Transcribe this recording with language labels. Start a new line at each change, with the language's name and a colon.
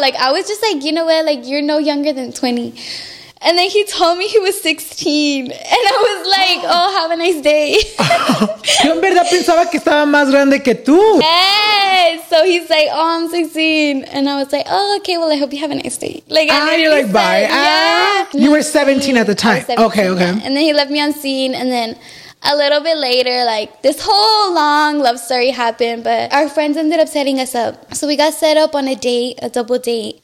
English: Like, I was just like, you know what? Like, you're no younger than 20. And then he told me he was 16. And I was like, oh, have a nice day.
Spanish: Yo en verdad pensaba que estaba más grande que tú.
English: Yes. So he's like, oh, I'm 16. And I was like, oh, okay, well, I hope you have a nice day. Like, and you're like, bye. Yeah. You were 17 at the time. Okay. Yeah. And then he left me on scene. And then a little bit later, like, this whole long love story happened. But our friends ended up setting us up. So we got set up on a date, a double date.